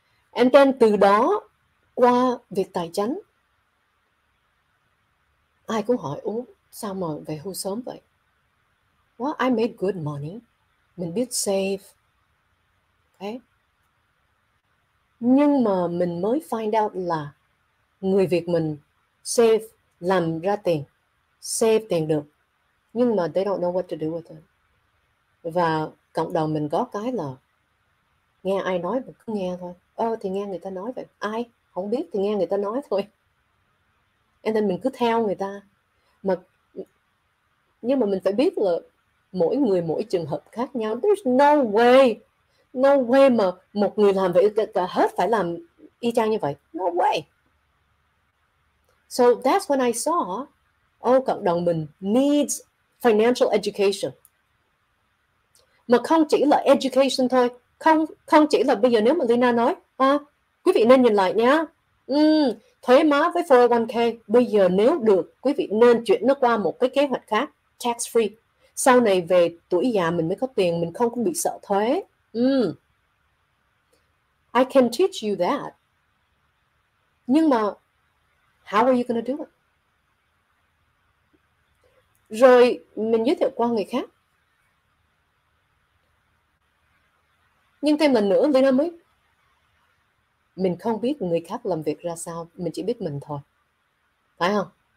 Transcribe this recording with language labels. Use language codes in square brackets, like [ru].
[en] And then [vi] từ đó, qua việc tài chánh, ai cũng hỏi, ố, sao mà về hưu sớm vậy? [en] Well, I made good money. [vi] Mình biết [en] save. Okay. [vi] Nhưng mà mình mới [en] find out [vi] là người Việt mình save, làm ra tiền, save tiền được. Nhưng mà [en] they don't know what to do with it. [vi] Và cộng đồng mình có cái là nghe ai nói mà cứ nghe thôi. Ờ thì nghe người ta nói vậy. Ai? Không biết thì nghe người ta nói thôi. [en] And then [vi] mình cứ theo người ta. Mà, nhưng mà mình phải biết là mỗi người mỗi trường hợp khác nhau. [en] There's no way. No way [vi] mà một người làm vậy cả hết phải làm y chang như vậy. [en] No way. So that's when I saw, oh, [vi] cộng đồng mình [en] needs financial education. [vi] Mà không chỉ là education thôi. Không chỉ là bây giờ nếu mà Lina nói, quý vị nên nhìn lại nha. Thuế má với 401k, bây giờ nếu được, quý vị nên chuyển nó qua một cái kế hoạch khác, tax free. Sau này về tuổi già mình mới có tiền, mình không có bị sợ thuế. [en] I can teach you that. [vi] Nhưng mà [en] how are you going to do it? [vi] Rồi mình giới thiệu qua người khác. Nhưng thêm lần nữa, Lina mới, mình không biết người khác làm việc ra sao, mình chỉ biết mình thôi. Phải không?